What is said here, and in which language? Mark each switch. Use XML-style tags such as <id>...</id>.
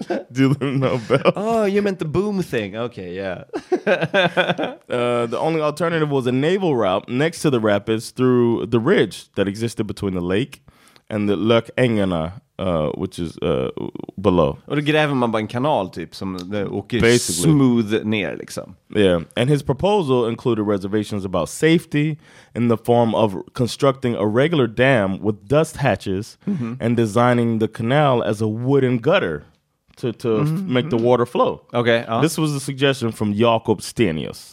<en>Do the Nobel. Oh, you meant the boom thing. Okay, yeah. The only alternative was a naval route next to the rapids through the ridge that existed between the lake and the Lök Ängarna, which is below.</en> <sv>Och då gräver man bara en kanal typ som åker basically smooth ner liksom.</sv> <en>Yeah, and his proposal included reservations about safety in the form of constructing a regular dam with dust hatches, mm-hmm, and designing the canal as a wooden gutter to mm-hmm make the water flow. Okay. This was a suggestion from Jakob Stenius.</en>